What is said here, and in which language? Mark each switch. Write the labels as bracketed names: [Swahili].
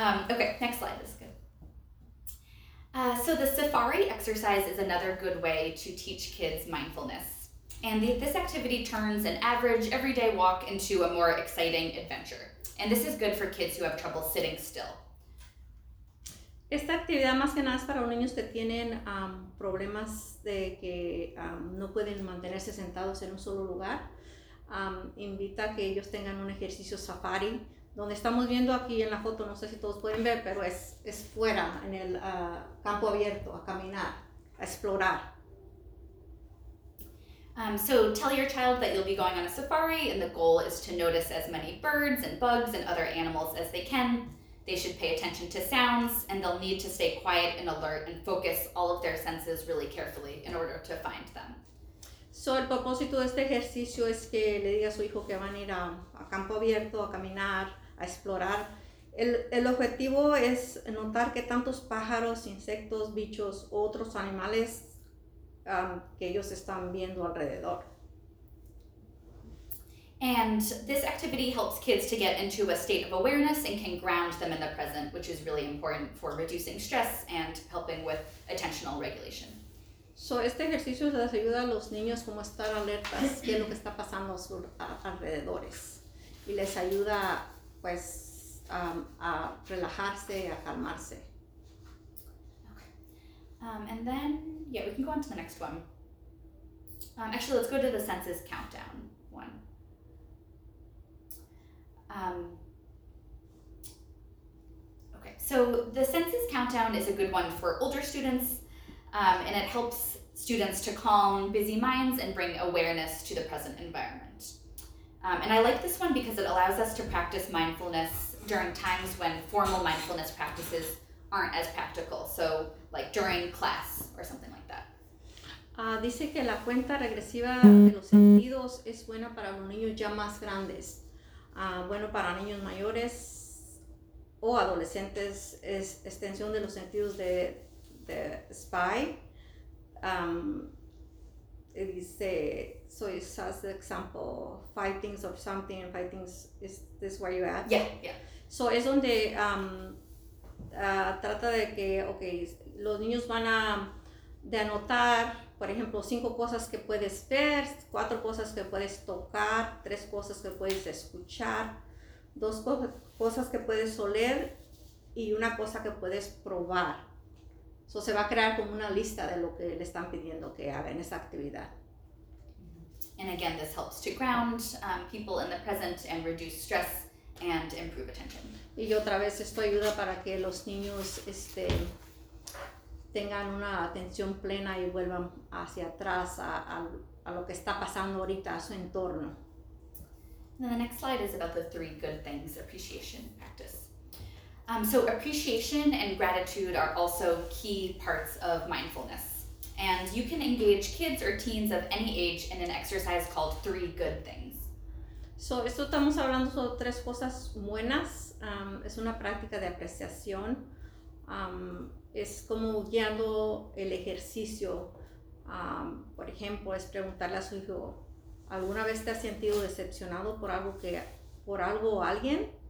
[English] Okay, next slide is good. So the safari exercise is another good way to teach kids mindfulness. And this activity turns an average everyday walk into a more exciting adventure. And this is good for kids who have trouble sitting still. [Spanish] Esta actividad más que nada es para los niños que tienen problemas de que no pueden mantenerse sentados en un solo lugar. Invita a que ellos tengan un ejercicio safari, donde estamos viendo aquí en la foto, no sé si todos pueden ver, pero es fuera, en el campo abierto, a caminar, a explorar. [English] So tell your child that you'll be going on a safari, and the goal is to notice as many birds and bugs and other animals as they can. They should pay attention to sounds, and they'll need to stay quiet and alert and focus all of their senses really carefully in order to find them. [Spanish] So el propósito de este ejercicio es que le diga a su hijo que van a ir a campo abierto, a caminar, a explorar. El objetivo es notar que tantos pájaros, insectos, bichos, otros animales que ellos están viendo alrededor. [English] And this activity helps kids to get into a state of awareness and can ground them in the present, which is really important for reducing stress and helping with attentional regulation. [Spanish] So, este ejercicio les ayuda a los niños como estar alertas qué es lo que está pasando a sus alrededores y les ayuda pues a relajarse, a calmarse. [English] Okay. And then, yeah, we can go on to the next one. Actually, let's go to the senses countdown one. Okay, so the senses countdown is a good one for older students, and it helps students to calm busy minds and bring awareness to the present environment. And I like this one because it allows us to practice mindfulness during times when formal mindfulness practices aren't as practical. So like during class or something like that. [Spanish] Dice que la cuenta regresiva de los sentidos es buena para los niños ya más grandes. Bueno para niños mayores o adolescentes es extensión de los sentidos de spy. [English] Dice, so it's as an example, fightings or something, fightings, is this where you're at? Yeah, yeah. [Spanish] So es donde trata de que, okay, los niños van a de anotar, por ejemplo, 5 cosas que puedes ver, 4 cosas que puedes tocar, 3 cosas que puedes escuchar, 2 cosas que puedes oler y una cosa que puedes probar. So se va a crear como una lista de lo que le están pidiendo que haga en esa actividad. [English] And again, this helps to ground people in the present and reduce stress and improve attention. [Spanish] Y otra vez esto ayuda para que los niños tengan una atención plena y vuelvan hacia atrás a lo que está pasando ahorita a su entorno. [English] And the next slide is about the 3 good things appreciation practice. So appreciation and gratitude are also key parts of mindfulness. And you can engage kids or teens of any age in an exercise called 3 good things. [Spanish] So esto estamos hablando sobre 3 cosas buenas. Es una práctica de apreciación. Es como guiando el ejercicio. Por ejemplo, es preguntarle a su hijo, ¿alguna vez te has sentido decepcionado por algo o alguien?